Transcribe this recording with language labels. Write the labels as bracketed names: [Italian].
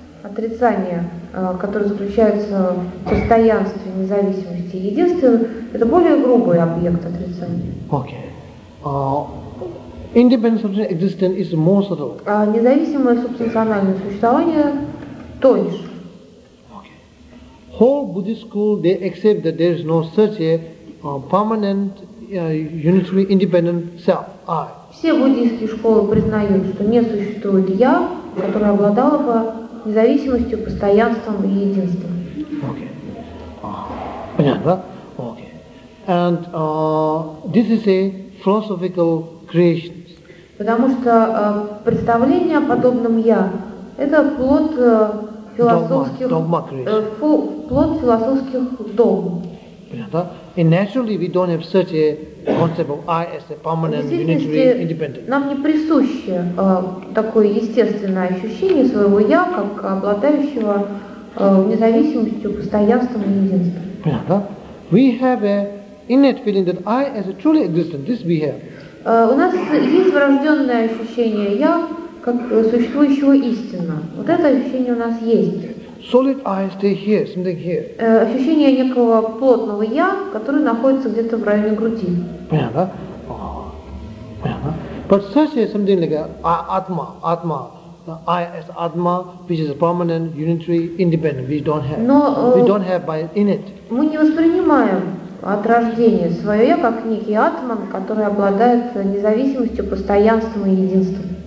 [Russian] отрицание, которое заключается в постоянстве, независимости, единстве, это более грубый объект отрицания. [English] Okay. Independent substantial existence is more subtle. [Russian] А независимое субстанциональное существование тоньше. [English] Whole Buddhist school, they accept that there is no such a permanent, unitary, independent self, I. [Russian] Все буддийские школы признают, что не существует я, которое обладало бы независимостью, постоянством и единством. [English] Okay. [Russian] Понятно, да? [English] Okay. And this is a philosophical creation. [Russian] Потому что представление о подобном я – это плод философских догм. [English] And naturally, we don't have such a concept of I as a permanent, unitary, independent. [Russian] Нам не присуще такое естественное ощущение своего я как обладающего независимостью, постоянством и единством. Понятно? [English] We have a innate feeling that I as a truly existent. This we have. [Russian] У нас есть врожденное ощущение я как существующего истинно. Вот это ощущение у нас есть. [English] Solid I stay here, something here. [Russian] Ощущение некого плотного я, который находится где-то в районе груди. Понятно? Понятно? [English] But such a something like a atma, I as atma, which is a permanent, unitary, independent, we don't have. [Russian] Но, [English] we don't have by in it. [Russian] Мы не воспринимаем от рождения свое я как некий атман, который обладает независимостью, постоянством и единством.